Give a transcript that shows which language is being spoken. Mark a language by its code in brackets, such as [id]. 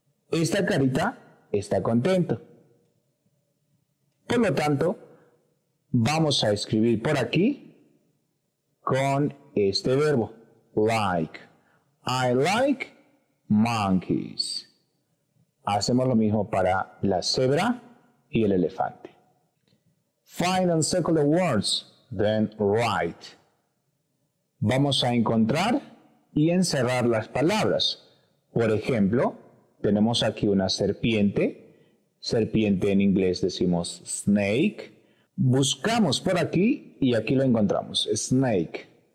[es] Esta carita está contento. Por lo tanto, vamos a escribir por aquí con este verbo, like. [en] I like monkeys. [es] Hacemos lo mismo para la cebra y el elefante. [en] Find and circle the words, then write. [es] Vamos a encontrar y encerrar las palabras. Por ejemplo, tenemos aquí una serpiente. Serpiente en inglés decimos snake. Buscamos por aquí y aquí lo encontramos, snake.